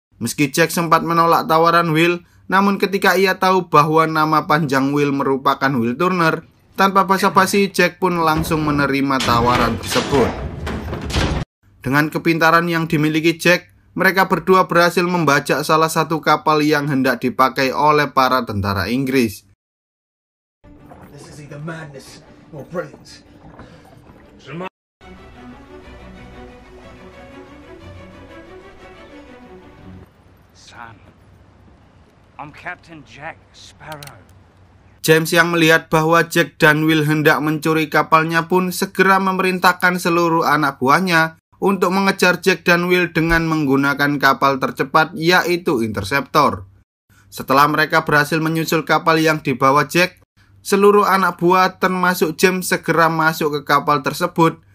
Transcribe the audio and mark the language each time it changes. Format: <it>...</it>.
<id>Meski Jack sempat menolak tawaran Will, namun ketika ia tahu bahwa nama panjang Will merupakan Will Turner, tanpa basa-basi Jack pun langsung menerima tawaran tersebut. Dengan kepintaran yang dimiliki Jack, mereka berdua berhasil membajak salah satu kapal yang hendak dipakai oleh para tentara Inggris.</id> <en>This is either madness or brilliance. Son, I'm Captain Jack Sparrow.</en> <id>James yang melihat bahwa Jack dan Will hendak mencuri kapalnya pun segera memerintahkan seluruh anak buahnya untuk mengejar Jack dan Will dengan menggunakan kapal tercepat, yaitu Interceptor. Setelah mereka berhasil menyusul kapal yang dibawa Jack, seluruh anak buah termasuk James segera masuk ke kapal tersebut.</id>